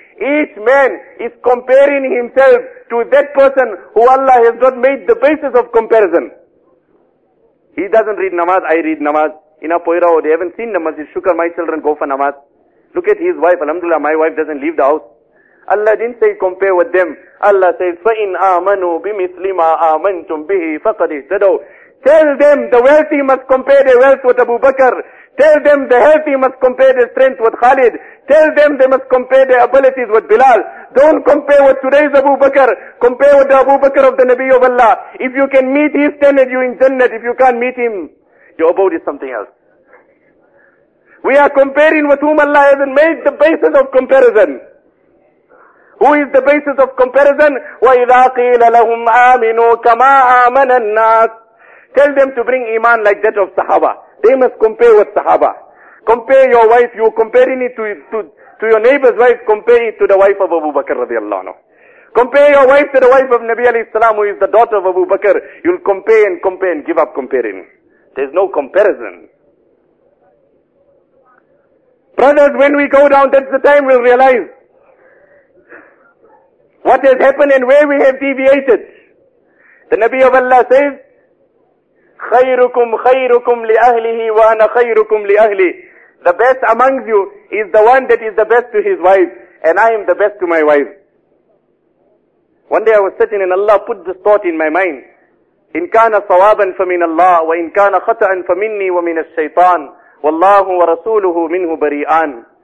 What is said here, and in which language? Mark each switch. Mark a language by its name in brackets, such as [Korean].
[English] Each man is comparing himself to that person who Allah has not made the basis of comparison. He doesn't read namaz, I read namaz. In a poira, they haven't seen namaz, shukar, my children go for namaz. Look at his wife, alhamdulillah, my wife doesn't leave the house. Allah didn't say compare with them. Allah says, [Arabic] فَإِنْ آمَنُوا بِمِثْلِ مَا آمَنْتُمْ بِهِ فَقَدِ اهْتَدَوْا. [English] Tell them the wealthy must compare their wealth with Abu Bakr. Tell them the healthy must compare their strength with Khalid. Tell them they must compare their abilities with Bilal. Don't compare with today's Abu Bakr. Compare with the Abu Bakr of the Nabi of Allah. If you can meet his standard, you're in Jannah. If you can't meet him, your abode is something else. We are comparing with whom Allah hasn't made the basis of comparison. Who is the basis of comparison? [Arabic] وَإِذَا قِيلَ لَهُمْ آمِنُوا كَمَا آمَنَ النَّاسِ. [English] Tell them to bring iman like that of Sahaba. They must compare with Sahaba. Compare your wife, you're comparing it to your neighbor's wife, compare it to the wife of Abu Bakr radiallahu anhu. Compare your wife to the wife of Nabi alayhi salam, who is the daughter of Abu Bakr. You'll compare and compare and give up comparing. There's no comparison. Brothers, when we go down, that's the time we'll realize what has happened and where we have deviated. The Nabi of Allah says, [Arabic] خَيْرُكُمْ خَيْرُكُمْ لِأَهْلِهِ وَأَنَا خَيْرُكُمْ لِأَهْلِهِ. [English] The best among you is the one that is the best to his wife, and I am the best to my wife. One day I was sitting and Allah put this thought in my mind. [Arabic] إِنْ كَانَ صَوَابًا فَمِنَ اللَّهِ وَإِنْ كَانَ خَطَأً فَمِنِّي وَمِنَ الشَّيْطَانِ وَاللَّهُ وَرَسُولُهُ مِنْهُ بَرِيئًا.